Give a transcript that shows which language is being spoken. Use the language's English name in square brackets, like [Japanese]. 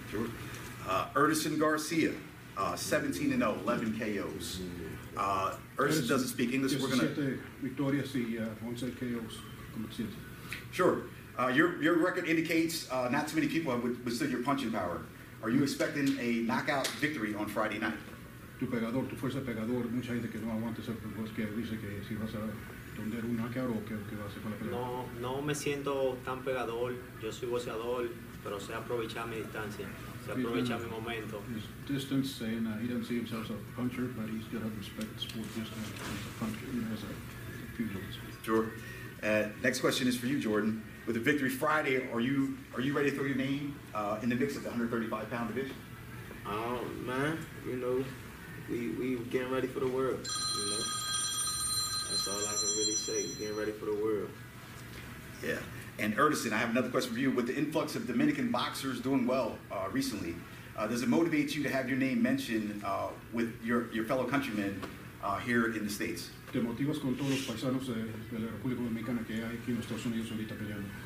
[English] Sure. Erdison Garcia, 17-0, 11 KOs. Erdison doesn't speak English. We're gonna Victoria C, 11 KOs. Sure. Your record indicates not too many people have withstood your punching power. Are you expecting a knockout victory on Friday night? [Spanish] Tu pegador, tu fuerza pegador, mucha gente que no aguanta ese pues que dice que si vas a tener un knockout o que vas a hacer con la pelea. No me siento tan pegador. Yo soy boxeador, pero sé aprovechar mi distancia. [English] He's in his distance, and he doesn't see himself as a puncher, but he's got to respect the sport just as a puncher, you know, as a pugilist. Sure. Next question is for you, Jordan. With a victory Friday, are you ready to throw your name in the mix of the 135-pound division? Man, you know, we getting ready for the world, you know. That's all I can really say, getting ready for the world. Yeah. And Erdison, I have another question for you. With the influx of Dominican boxers doing well recently, does it motivate you to have your name mentioned with your fellow countrymen here in the States? [Spanish] ¿Te motivas con todos los paisanos de la República Dominicana que hay aquí en Estados Unidos ahorita peleando?